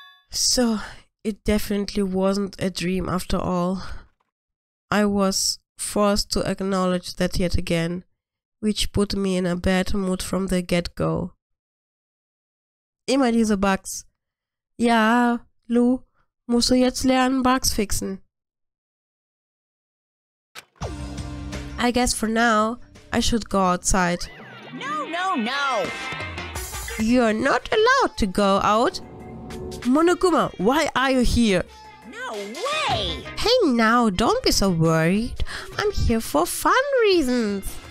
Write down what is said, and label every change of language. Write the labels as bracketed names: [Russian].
[English] So, it definitely wasn't a dream after all. I was forced to acknowledge that yet again, which put me in a bad mood from the get-go. [German] Immer diese Bugs. Ja, Lou, musst du jetzt lernen, Bugs fixen. [English] I guess for now, I should go outside. No, no, no! You're not allowed to go out! Monokuma, why are you here? Way. Hey now, don't be so worried. I'm here for fun reasons.